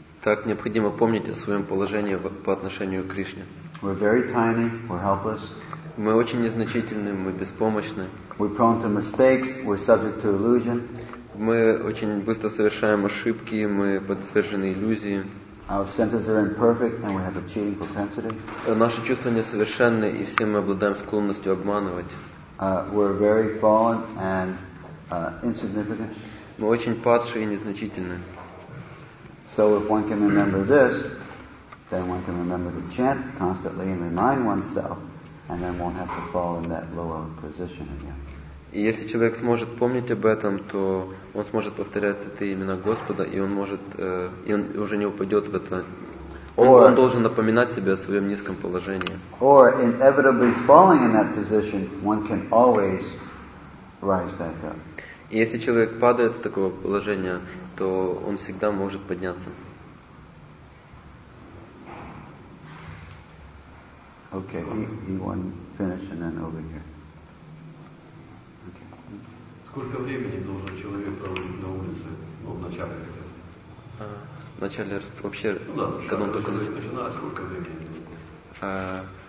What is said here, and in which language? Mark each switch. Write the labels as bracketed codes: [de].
[ru] Так необходимо помнить о своем положении по отношению к Кришне. [en] We're very tiny. We're helpless. [ru] Мы очень незначительны. Мы беспомощны. [en] We're prone to mistakes. We're subject to illusion. [ru] Мы очень быстро совершаем ошибки. Мы подвержены иллюзии. [en] Our senses are imperfect, and we have a cheating propensity. [ru] Наши чувства несовершенны, и все мы обладаем склонностью обманывать. [en] We're very fallen and insignificant. [ru] Мы очень падшие и незначительны. [en] So if one can remember this, then one can remember to chant constantly and remind oneself, and then won't have to fall in that lower position again. [ru] И если человек сможет помнить об этом, то он сможет повторять святые имена Господа, и он может, и он уже не упадет в это. Он должен напоминать себе о своем низком положении. [en] Or inevitably falling in that position, one can always rise back up. [ru] И если человек падает в такое положение, то он всегда может подняться. [en] Okay, he won't finish and then over here. [ru] Сколько времени должен человек проводить на улице, ну, в начале хотя бы? В начале вообще, ну, да, когда он только начинает, сколько времени должен?